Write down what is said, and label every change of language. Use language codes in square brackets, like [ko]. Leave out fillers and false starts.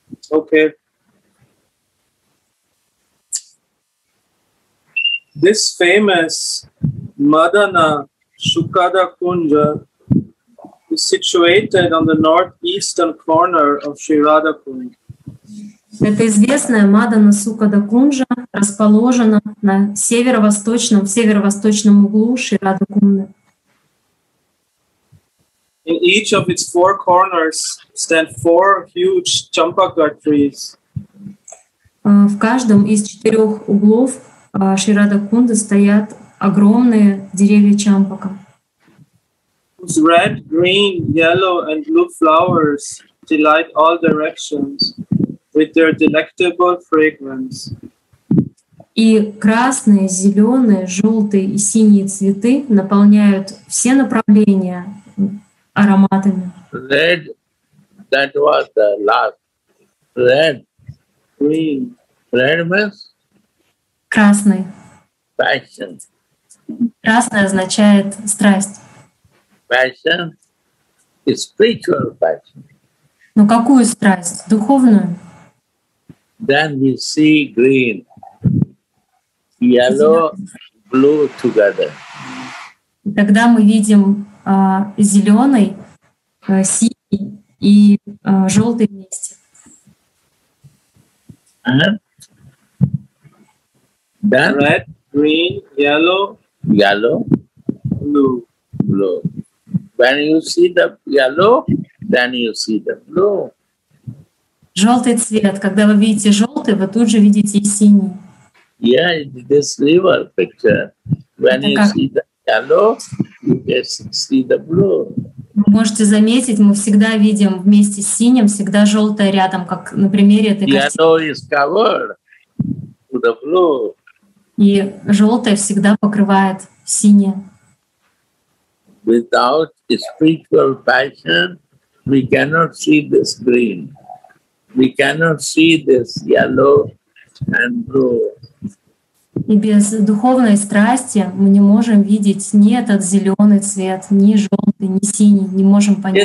[en] Okay. This famous Madana Sukada Kunja is situated on the northeastern corner of Sri Radha Kunj. [ru] Это известная Мадана Сукада Кунджа расположена на северо-восточном, в северо-восточном углу Шри Радха Кунджа. [en] In each of its four corners stand four huge champaka trees. [ru] В каждом из четырех углов Шри Радха Кунджа стоят огромные деревья чампака. [en] Red, green, yellow and blue flowers delight all directions with their delectable fragrance. [ru] И красные, зеленые, желтые и синие цветы наполняют все направления ароматами. [en] Red, that was the last. Red. Green. Red means? [ru] Красный. [en] Passion. [ru] Красный означает страсть. [en] Passion is spiritual passion. [ru] Но какую страсть? Духовную? [en] Then we see green, yellow, blue together. [ru] Тогда мы видим зеленый, синий и желтый вместе. [en] Then red, green, yellow, yellow, blue, blue. When you see the yellow, then you see the blue. [ru] Желтый цвет. Когда вы видите желтый, вы тут же видите и синий. [en] Yeah, this river picture. When you see the yellow, you can see the blue. [ru] Вы можете заметить, мы всегда видим вместе с синим, всегда желтое рядом, как на примере этой картины. [en] Yellow is covered with the blue. [ru] И желтое всегда покрывает синее. [en] Without spiritual passion, we cannot see this green. We cannot see this yellow and blue. [ru] И без духовной страсти мы не можем видеть ни этот зеленый цвет, ни желтый, ни синий, не можем